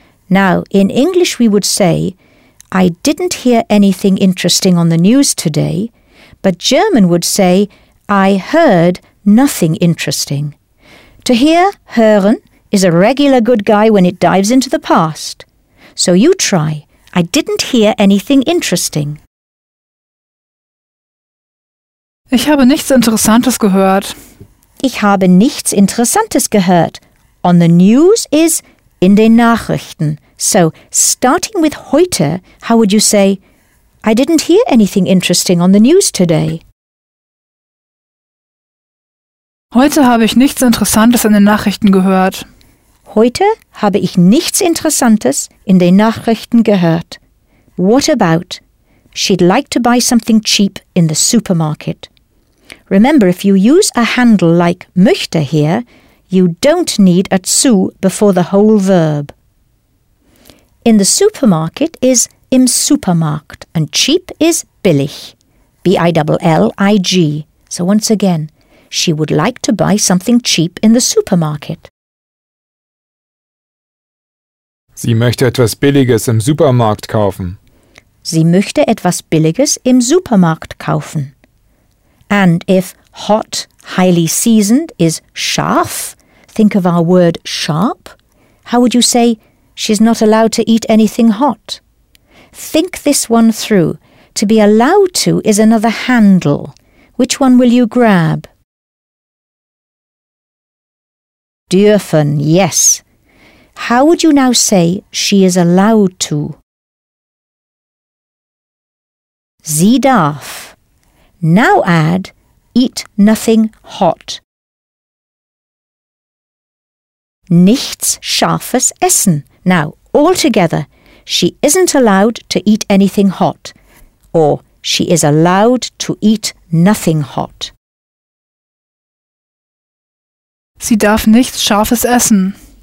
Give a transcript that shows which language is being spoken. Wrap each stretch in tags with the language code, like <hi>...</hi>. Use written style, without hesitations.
<en>Now, in English we would say, I didn't hear anything interesting on the news today, but German would say, I heard nothing interesting. To hear, hören, is a regular good guy when it dives into the past. So you try. I didn't hear anything interesting.</en> <de>Ich habe nichts Interessantes gehört. Ich habe nichts Interessantes gehört.</de> <en>On the news is</en> <de>in den Nachrichten.</de> <en>So, starting with heute, how would you say, I didn't hear anything interesting on the news today?</en> <de>Heute habe ich nichts Interessantes in den Nachrichten gehört. Heute habe ich nichts Interessantes in den Nachrichten gehört.</de> <en>What about? She'd like to buy something cheap in the supermarket. Remember, if you use a handle like möchte here, you don't need a zu before the whole verb. In the supermarket is</en> <de>im Supermarkt</de> <en>and cheap is billig, B-I-L-L-I-G. So once again, she would like to buy something cheap in the supermarket.</en> <de>Sie möchte etwas Billiges im Supermarkt kaufen. Sie möchte etwas Billiges im Supermarkt kaufen.</de> <en>And if hot, highly seasoned, is scharf, think of our word sharp. How would you say, she's not allowed to eat anything hot? Think this one through. To be allowed to is another handle. Which one will you grab? Dürfen, yes. How would you now say she is allowed to?</en> <de>Sie darf.</de> <en>Now add eat nothing hot.</en> <de>Nichts scharfes essen.</de> <en>Now, all together, she isn't allowed to eat anything hot. Or she is allowed to eat nothing hot.</en> <de>Sie darf nichts scharfes essen.</de>